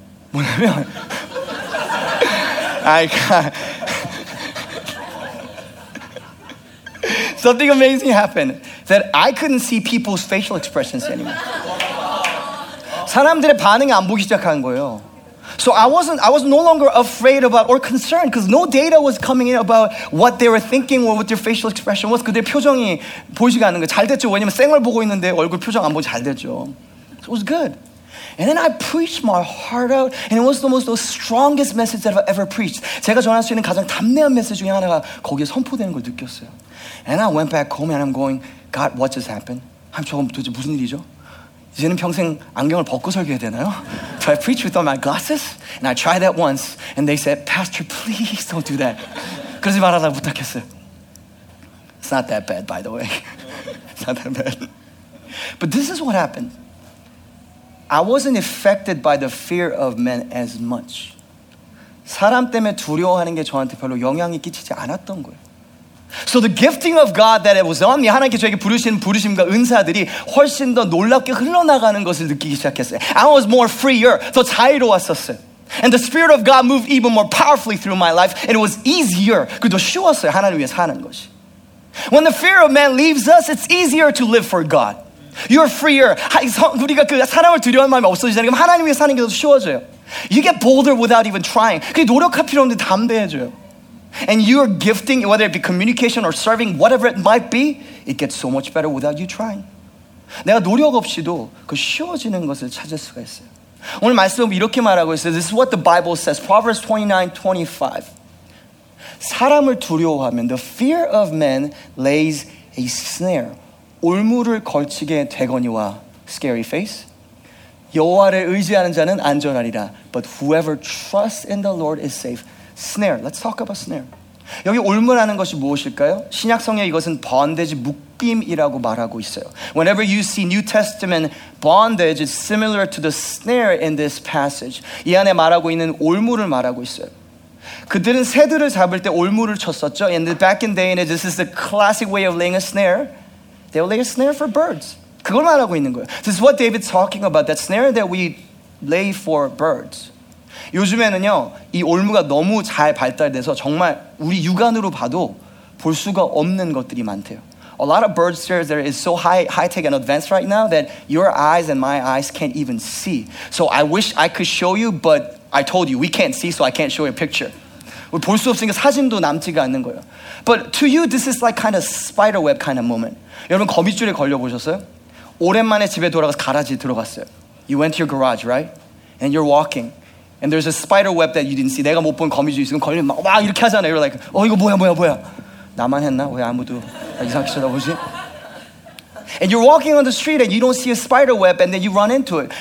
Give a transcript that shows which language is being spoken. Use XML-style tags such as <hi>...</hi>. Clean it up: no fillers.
<ko>뭐냐면</ko> <en>I can't. Something amazing happened that I couldn't see people's facial expressions anymore.</en> <ko>사람들의 반응을 안 보기 시작한 거예요.</ko> <en>So I was no longer afraid about or concerned because no data was coming in about what they were thinking or what their facial expression was.</en> <ko>그들의 표정이 보이지가 않는 거예요. 잘 됐죠. 왜냐면 생얼 보고 있는데 얼굴 표정 안 보고 잘 됐죠.</ko> <en>So it was good. And then I preached my heart out and it was the strongest message that I've ever preached.</en> <ko>제가 전할 수 있는 가장 담대한 메시지 중에 하나가 거기에 선포되는 걸 느꼈어요.</ko> <en>And I went back home and I'm going, God, what just happened?</en> <ko>하나님 저건 도대체 무슨 일이죠? 이제는 평생 안경을 벗고 설교해야 되나요?</ko> <en>Do I preach without my glasses? And I tried that once and they said, Pastor, please don't do that.</en> <ko>그러지 말아라 부탁했어요.</ko> <en>It's not that bad, by the way. It's not that bad. But this is what happened. I wasn't affected by the fear of men as much.</en> <ko>사람 때문에 두려워하는 게 저한테 별로 영향이 끼치지 않았던 거예요.</ko> <en>So the gifting of God that it was on me,</en> <ko>하나님께 저에게 부르신 부르심과 은사들이 훨씬 더 놀랍게 흘러나가는 것을 느끼기 시작했어요.</ko> <en>I was more freer,</en> <ko>더 자유로웠었어요.</ko> <en>And the Spirit of God moved even more powerfully through my life, and it was easier,</en> <ko>그리고 더 쉬웠어요, 하나님 위해 사는 것이.</ko> <en>When the fear of man leaves us, it's easier to live for God. You're freer.</en> <ko>우리가 그 사람을 두려워할 마음이 없어지잖아요. 그럼 하나님 위해 사는 게 더 쉬워져요.</ko> <en>You get bolder without even trying.</en> <ko>그게 노력할 필요 없는데 담대해져요.</ko> <en>And your gifting, whether it be communication or serving, whatever it might be, it gets so much better without you trying.</en> <ko>내가 노력 없이도 그 쉬워지는 것을 찾을 수가 있어요. 오늘 말씀 이렇게 말하고 있어요.</ko> <en>This is what the Bible says. Proverbs 29:25.</en> <ko>사람을 두려워하면</ko> <en>the fear of men lays a snare.</en> <ko>올무를 걸치게 되거니와</ko> <en>scary face.</en> <ko>여호와를 의지하는 자는 안전하리라.</ko> <en>But whoever trusts in the Lord is safe. Snare. Let's talk about snare.</en> <ko>여기 올무라는 것이 무엇일까요? 신약성에 이것은 번데지 묶임이라고 말하고 있어요.</ko> <en>Whenever you see New Testament bondage, it's similar to the snare in this passage.</en> <ko>이 안에 말하고 있는 올무를 말하고 있어요. 그들은 새들을 잡을 때 올무를 쳤었죠.</ko> <en>And back in day, this is the classic way of laying a snare. They would lay a snare for birds.</en> <ko>그걸 말하고 있는 거예요.</ko> <en>This is what David's talking about, that snare that we lay for birds.</en> <ko>요즘에는요, 이 올무가 너무 잘 발달돼서 정말 우리 육안으로 봐도 볼 수가 없는 것들이 많대요.</ko> <en>A lot of bird snares there is so high-tech and advanced right now that your eyes and my eyes can't even see. So I wish I could show you, but I told you, we can't see, so I can't show you a picture.</en> <ko>우리 볼 수 없으니까 사진도 남지가 않는 거예요.</ko> <en>But to you, this is like kind of spider web kind of moment.</en> <ko>여러분, 거미줄에 걸려보셨어요? 오랜만에 집에 돌아가서 가라지 들어갔어요.</ko> <en>You went to your garage, right? And you're walking. And there's a spider web that you didn't see.</en> <ko>내가 못 본 거미줄이 있으면 걸리면 막 이렇게 하잖아요.</ko> <en>You're like,</en> <ko>어, 이거 뭐야? 나만 했나? 왜 아무도 이상하게 쳐다보지?</ko> <en>And you're walking on the street and you don't see a spider web and then you run into it.</en>